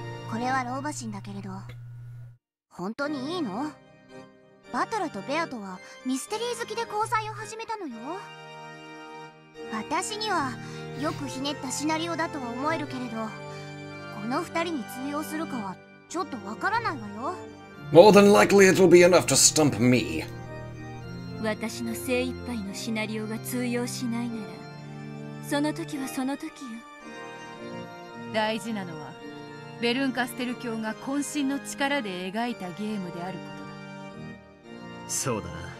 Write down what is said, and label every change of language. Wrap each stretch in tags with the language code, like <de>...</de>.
<ja>これは老婆心だけれど、本当にいいの？バトラとベアトはミステリー好きで交際を始めたのよ。私にはよくひねったシナリオだとは思えるけれど、この二人に通用するかはちょっとわからないわよ。</ja> <en>More than likely it will be enough to stump me.</en> <ja>私の精一杯のシナリオが通用しないなら、その時はその時よ。大事なのは、ベルンカステル教が渾身の力で描いたゲームであることだ。そうだな。</ja>